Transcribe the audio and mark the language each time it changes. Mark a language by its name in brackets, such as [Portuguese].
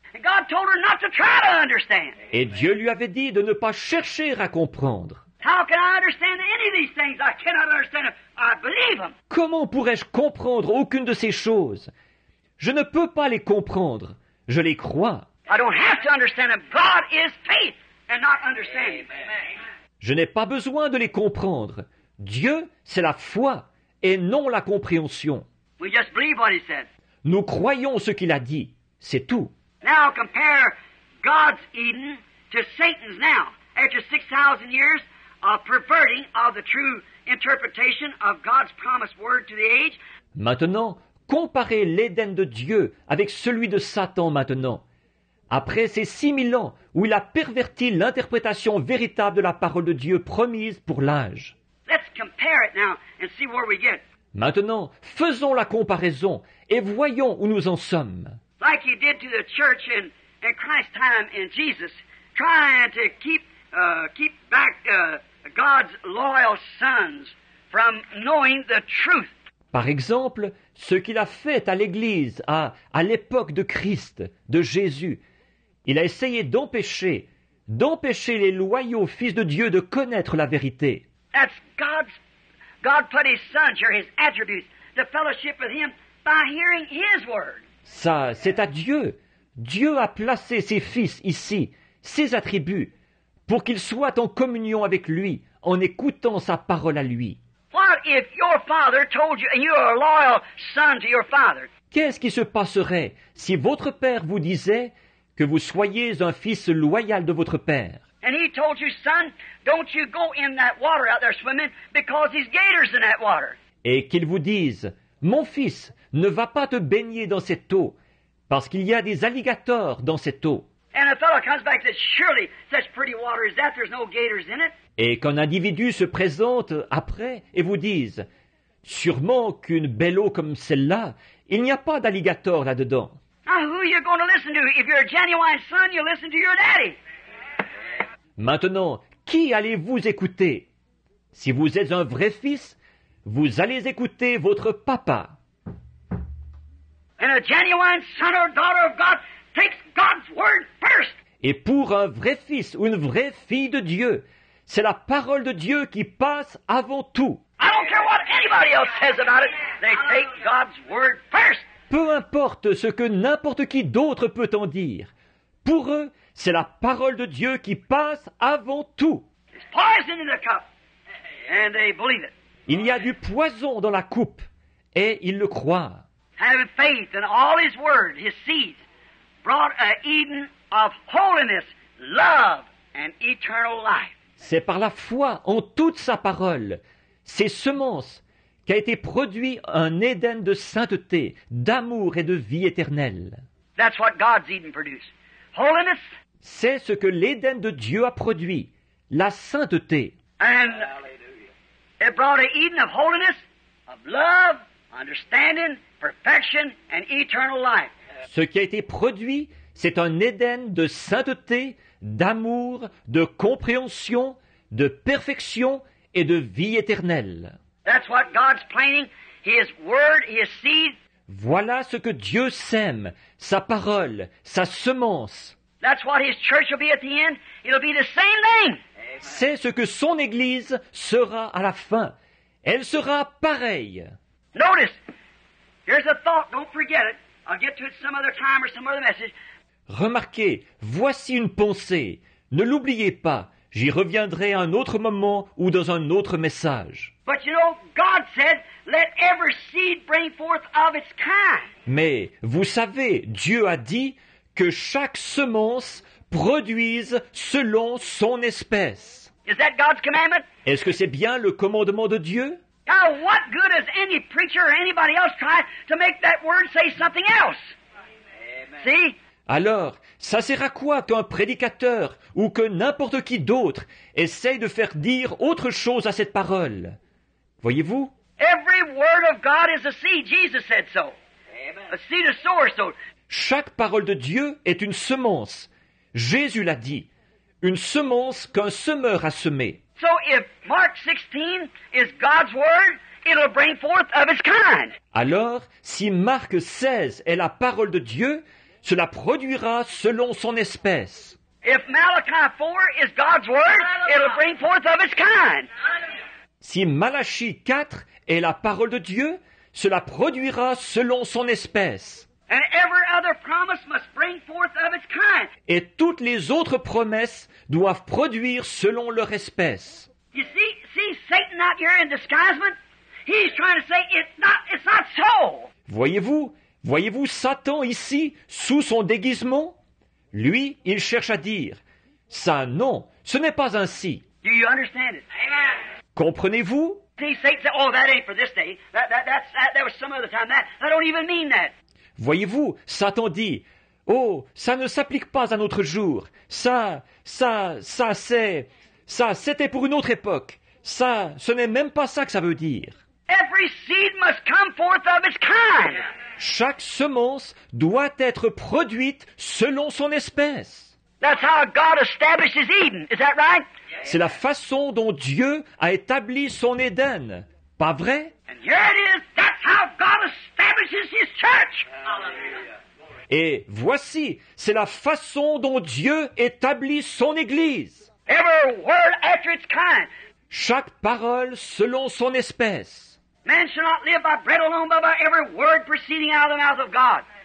[English] God told her not to try to understand. [French] Et Dieu lui avait dit de ne pas chercher à comprendre. [English] How can I understand any of these things? I cannot understand them. I believe them. [French] Comment pourrais-je comprendre aucune de ces choses? Je ne peux pas les comprendre. Je les crois. [English] I don't have to understand them. God is faith and not understanding. Amen. [French] Je n'ai pas besoin de les comprendre. Dieu, c'est la foi et non la compréhension. [English] We just believe what he said. [French] Nous croyons ce qu'il a dit. C'est tout. [English] Now compare God's Eden to Satan's now. After 6,000 years of perverting of the true interpretation of God's promised word to the age. [French] Maintenant, comparez l'Éden de Dieu avec celui de Satan maintenant. Après ces 6,000 ans où il a perverti l'interprétation véritable de la parole de Dieu promise pour l'âge. [English] Let's compare it now and see where we get. [French] Maintenant, faisons la comparaison et voyons où nous en sommes. [English] Like he did to the church in Christ's time in Jesus, trying to keep back God's loyal sons from knowing the truth. [French] Par exemple, ce qu'il a fait à l'Église à l'époque de Christ, de Jésus, il a essayé d'empêcher les loyaux fils de Dieu de connaître la vérité. [English] That's God put his sons or his attributes to fellowship with him by hearing his word. [French] Ça, c'est à Dieu. Dieu a placé ses fils ici, ses attributs, pour qu'ils soient en communion avec lui, en écoutant sa parole à lui. [English] What if your father told you, and you're a loyal son to your father? [French] Qu'est-ce qui se passerait si votre père vous disait que vous soyez un fils loyal de votre père? [English] And he told you, son, don't you go in that water out there swimming because these gators in that water. [French] Et qu'il vous dise, mon fils, ne va pas te baigner dans cette eau, parce qu'il y a des alligators dans cette eau. [English] And a fellow comes back and says, surely such pretty water as that, there's no gators in it. [French] Et qu'un individu se présente après et vous dise, sûrement qu'une belle eau comme celle-là, il n'y a pas d'alligators là-dedans. [English] Now who are you going to listen to? If you're a genuine son, you listen to your daddy. [French] Maintenant, qui allez-vous écouter? Si vous êtes un vrai fils, vous allez écouter votre papa. [English] And a genuine son or daughter of God takes God's word first. [French] Et pour un vrai fils ou une vraie fille de Dieu, c'est la parole de Dieu qui passe avant tout. [English] I don't care what anybody else says about it. They take God's word first. [French] Peu importe ce que n'importe qui d'autre peut en dire. Pour eux, c'est la parole de Dieu qui passe avant tout. [English] There's poison in the cup, and they believe it. [French] Il y a du poison dans la coupe, et ils le croient. [English] Having faith in all his word, his seed, brought an Eden of holiness, love, and eternal life. [French] C'est par la foi en toute sa parole, ses semences, qu'a été produit un Éden de sainteté, d'amour et de vie éternelle. [English] That's what God's Eden produced. Holiness. [French] C'est ce que l'Éden de Dieu a produit, la sainteté. [English] And that brought an Eden of holiness, of love, understanding, perfection, and eternal life. [French] Ce qui a été produit, c'est un Éden de sainteté, d'amour, de compréhension, de perfection et de vie éternelle. [English] That's what God's planting, His word, His seed. [French] Voilà ce que Dieu sème, sa parole, sa semence. [English] That's what His church will be at the end. It'll be the same thing. [French] C'est ce que son Église sera à la fin. Elle sera pareille. [English] Notice, here's a thought, don't forget it. I'll get to it some other time or some other message. [French] Remarquez, voici une pensée. Ne l'oubliez pas, j'y reviendrai à un autre moment ou dans un autre message. [English] But you know, God said, let every seed bring forth of its kind. [French] Mais vous savez, Dieu a dit que chaque semence produise selon son espèce. [English] Is that God's commandment? [French] Est-ce que c'est bien le commandement de Dieu? [English] Now, what good does any preacher or anybody else try to make that word say something else? Amen. See? [French] Alors, ça sert à quoi qu'un prédicateur ou que n'importe qui d'autre essaye de faire dire autre chose à cette parole? Voyez-vous? [English] Every word of God is a seed. Jesus said so. Amen. A seed of sower, so. [French] Chaque parole de Dieu est une semence. Jésus l'a dit. Une semence qu'un semeur a semée. [English] So if Mark 16 is God's word, it'll bring forth of its kind. [French] Alors, si Marc 16 est la parole de Dieu, cela produira selon son espèce. [English] If Malachi 4 is God's word, it'll bring forth of its kind. [French] Si Malachi 4 est la parole de Dieu, cela produira selon son espèce. [English] And every other promise must bring forth of its kind. [French] Et toutes les autres promesses doivent produire selon leur espèce. [English] You see Satan out here in disguisement? He's trying to say it's not so. [French] Voyez-vous Satan ici sous son déguisement? Lui, il cherche à dire ça non, ce n'est pas ainsi. [English] Do you understand it? Amen. [French] Comprenez-vous? [English] See, Satan said, oh, that ain't for this day. That was some other time. That I don't even mean that. [French] Voyez-vous, Satan dit, « Oh, ça ne s'applique pas à notre jour. Ça, c'était pour une autre époque. Ça, ce n'est même pas ça que ça veut dire. » [English] Every seed must come forth of its kind. [French] Chaque semence doit être produite selon son espèce. [English] That's how God establishes Eden. Is that right? [French] C'est la façon dont Dieu a établi son Éden. Pas vrai? [English] And here it is. That's how God establishes His church. [French] Et voici, c'est la façon dont Dieu établit son Église. [English] Every word after its kind. [French] Chaque parole selon son espèce. [English] Man shall not live by bread alone, but by every word proceeding out of the mouth of God.